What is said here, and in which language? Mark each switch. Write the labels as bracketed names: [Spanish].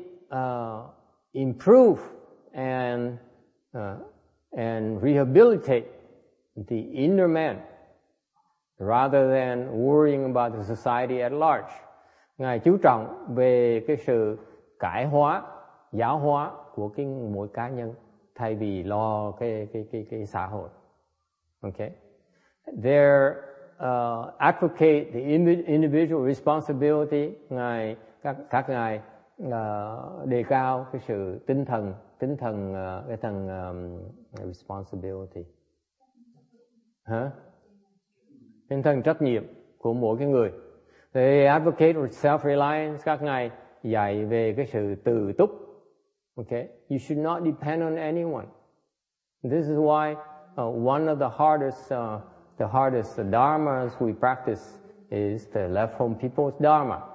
[English] They improve and rehabilitate the inner man rather than worrying about the society at large. [Vietnamese] Ngài chú trọng về cái sự cải hóa, giáo hóa của cái mỗi cá nhân thay vì lo cái xã hội. [English] Okay. They advocate the individual responsibility. [Vietnamese] Ngài các ngài đề cao cái sự tinh thần cái thần responsibility. Hả? Tinh thần trách nhiệm của mỗi cái người. [English] They advocate self-reliance. [Vietnamese] Các ngài dạy về cái sự tự túc. [English] Okay, you should not depend on anyone. This is why one of the hardest dharmas we practice is the left home people's dharma.